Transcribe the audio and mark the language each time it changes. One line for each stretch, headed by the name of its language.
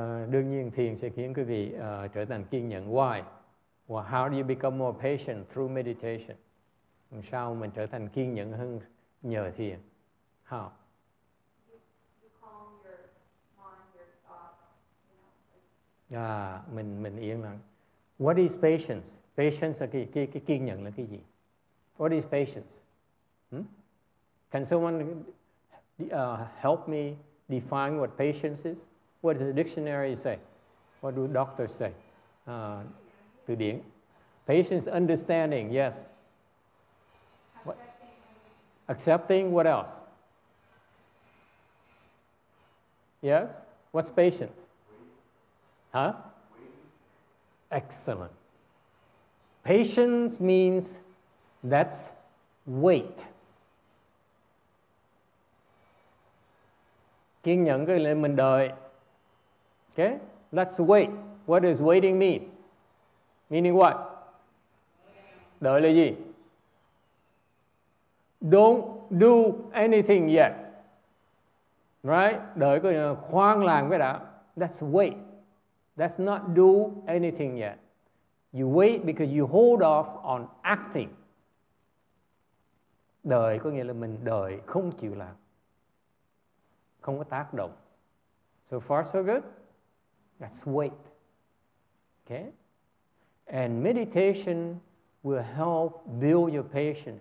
Vietnamese: Đương nhiên thiền sẽ khiến quý vị trở thành kiên nhẫn.
English: Why? Well, how do you become more patient through meditation?
Vietnamese: Sao mình trở thành kiên nhẫn hơn nhờ thiền?
English: How? You calm your mind, your thoughts.
Vietnamese: Mình yên lặng.
English: What is patience?
Vietnamese: Patience là cái kiên nhẫn là cái gì?
English: What is patience? Can someone help me define what patience is? What does the dictionary say? What do doctors say?
Vietnamese: Từ điển.
English: Patience, understanding, yes. Accepting. What? Accepting, what else? Yes? What's patience? Waiting. Huh? Waiting. Excellent. Patience means that's wait.
Vietnamese: Kiên nhẫn cái là mình đợi.
English: Okay, let's wait. What does waiting mean? Meaning what?
Vietnamese: Đợi là gì?
English: Don't do anything yet. Right?
Vietnamese: Đợi có khoan lặng với đã.
English: Let's wait. Let's not do anything yet. You wait because you hold off on acting.
Vietnamese: Đợi có nghĩa là mình đợi, không chịu làm. Không có tác động.
English: So far, so good? That's wait. Okay? And meditation will help build your patience.